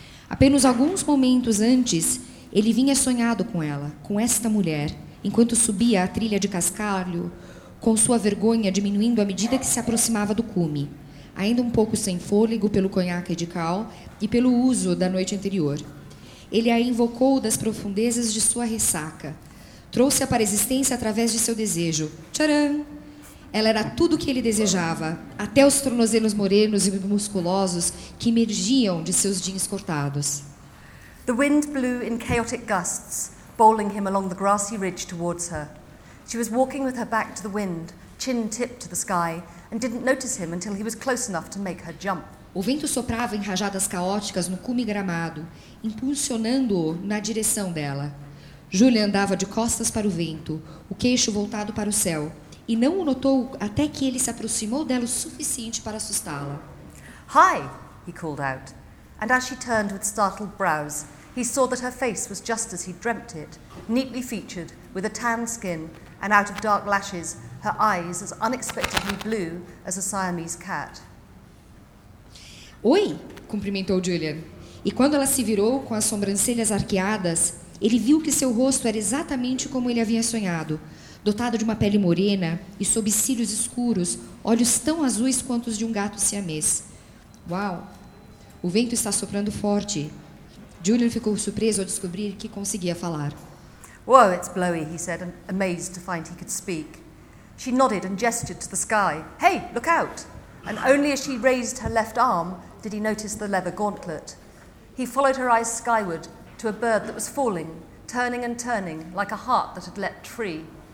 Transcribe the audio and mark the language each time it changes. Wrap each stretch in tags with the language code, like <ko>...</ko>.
<pt>Apenas alguns momentos antes, ele vinha sonhado com ela, com esta mulher, enquanto subia a trilha de cascalho, com sua vergonha diminuindo à medida que se aproximava do cume, ainda um pouco sem fôlego pelo conhaque de Cal e pelo uso da noite anterior. Ele a invocou das profundezas de sua ressaca. Trouxe-a para a existência através de seu desejo. Tcharam! Ela era tudo o que ele desejava, até os tornozelos morenos e musculosos que emergiam de seus jeans cortados.</pt> <en>The wind blew in chaotic gusts, bowling him along the grassy ridge towards her. She was walking with her back to the wind, chin tipped to the sky, and didn't notice him until he was close enough to make her jump.</en> <pt>O vento soprava em rajadas caóticas no cume gramado, impulsionando-o na direção dela. Julia andava de costas para o vento, o queixo voltado para o céu, e não o notou até que ele se aproximou dela o suficiente para assustá-la.</pt> <en>Hi, he called out. And as she turned with startled brows, he saw that her face was just as he'd dreamt it, neatly featured, with a tan skin, and out of dark lashes, her eyes as unexpectedly blue as a Siamese cat.</en> <pt>Oi, cumprimentou Julian. E quando ela se virou com as sobrancelhas arqueadas, ele viu que seu rosto era exatamente como ele havia sonhado, dotado de uma pele morena e sob cílios escuros, olhos tão azuis quanto os de um gato siamês. Uau! O vento está soprando forte. Julian ficou surpreso ao descobrir que conseguia falar.</pt> <en>Whoa, it's blowy, he said, amazed to find he could speak. She nodded and gestured to the sky. Hey, look out! And only as she raised her left arm did he notice the leather gauntlet. He followed her eyes skyward to a bird that was falling, turning and turning like a heart that had leapt free.</en>